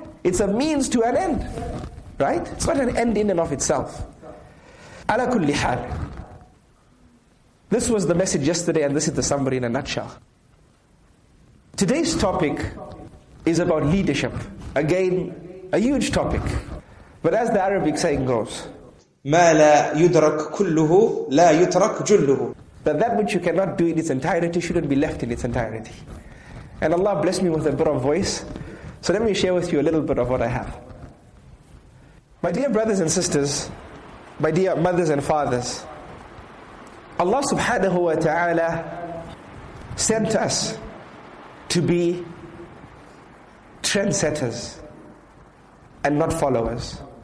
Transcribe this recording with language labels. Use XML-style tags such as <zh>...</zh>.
<en>It's a means to an end. Right? It's not an end in and of itself.</en> <ar>Ala kulli hal.</ar> <en>This was the message yesterday, and this is the summary in a nutshell. Today's topic is about leadership. Again, a huge topic. But as the Arabic saying goes,</en> <ar>ما لا يدرك كله لا يترك جله.</ar> <en>That which you cannot do in its entirety shouldn't be left in its entirety. And Allah blessed me with a bit of voice. So let me share with you a little bit of what I have. My dear brothers and sisters, my dear mothers and fathers, Allah subhanahu wa ta'ala sent us to be trendsetters and not followers.</en>